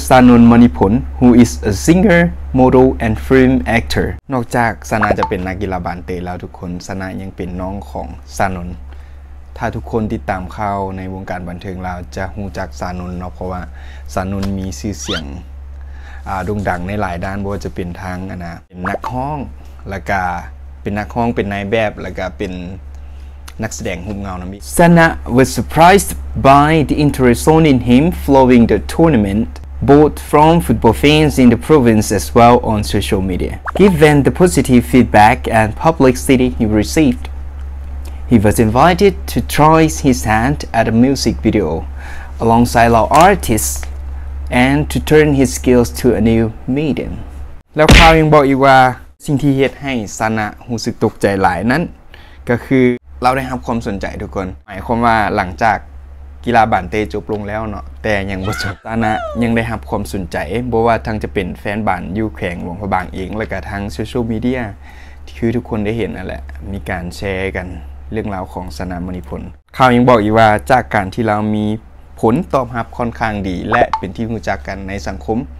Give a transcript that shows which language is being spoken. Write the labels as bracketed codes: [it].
[en] Sanon Manipun who is a singermodel and film actor [th] นอกจากซานาจะเป็นนักกีฬาบาสเตะแล้วทุกคนซานายังเป็นน้องของซานนถ้าทุกคนติดตามเข้าในวงการบันเทิงเราจะรู้จักซานนเนาะเพราะว่าซานนมีชื่อเสียงโด่งดังในหลายด้านไม่ว่าจะเป็นทางนะเป็นนักร้องและก็เป็นนักร้องเป็นนายแบบและก็เป็นนักแสดงหุ่นเงานะมิ [en] ซานา was surprised by the interest shown in him following the tournamentboth from football fans in the province as well on social media. Given the positive feedback and publicity he received, he was invited to try his hand at a music video alongside our artists and to turn his skills to a new medium. [th] แล้วข่าวยังบอกอีกว่าสิ่งที่เฮ็ดให้ซานะรู้สึกตกใจหลายนั้นก็คือเราได้รับความสนใจทุกคนหมายความว่าหลังจากกีฬาบาสเตะจบลงแล้วเนาะแต่ยังบ่จบซานะยังได้รับความสนใจบ่ว่าทั้งจะเป็นแฟนบาสอยู่แขวงหลวงพระบางเองแล้วก็ทั้งโซเชียลมีเดียที่คือทุกคนได้เห็นนั่นแหละมีการแชร์กันเรื่องราวของซานะมณีผลข่าวยังบอกอีกว่าจากการที่เรามีผลตอบรับค่อนข้างดีและเป็นที่รู้จักกันในสังคม